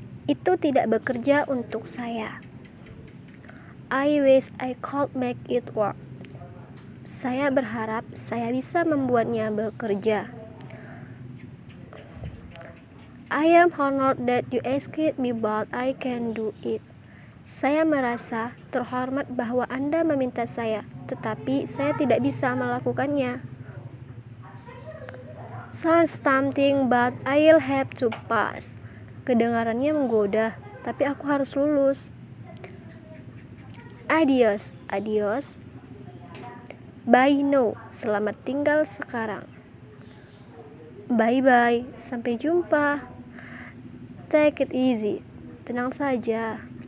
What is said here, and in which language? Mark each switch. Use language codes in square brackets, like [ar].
[id] Itu tidak bekerja untuk saya. [en] I wish I could make it work. [id] Saya berharap saya bisa membuatnya bekerja. [en] I am honored that you asked me but I can do it. [id] Saya merasa terhormat bahwa Anda meminta saya, tetapi saya tidak bisa melakukannya. [en] Sounds tempting but I'll have to pass. [id] Kedengarannya menggoda, tapi aku harus lulus. [es] Adios, adios. [en] Bye now, [id] selamat tinggal sekarang. [en] Bye bye, [id] sampai jumpa. [en] Take it easy, [id] tenang saja.